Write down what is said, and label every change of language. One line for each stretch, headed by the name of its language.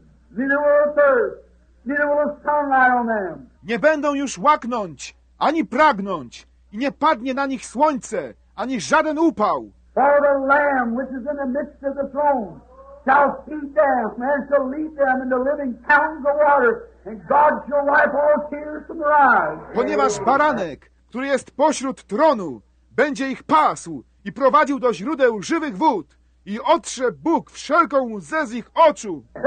English: Neither will the thirst. Neither will the sun light on them.
Polish: Nie będą już łaknąć, ani pragnąć, i nie padnie na nich słońce, ani żaden upał.
English: For the Lamb which is in the midst of the throne shall feed them, and shall lead them into living fountains of water, and God shall wipe all tears from their eyes.
Polish: Ponieważ baranek, który jest pośród tronu, będzie ich pasł i prowadził do źródeł żywych wód i otrze Bóg wszelką łzę z ich oczu.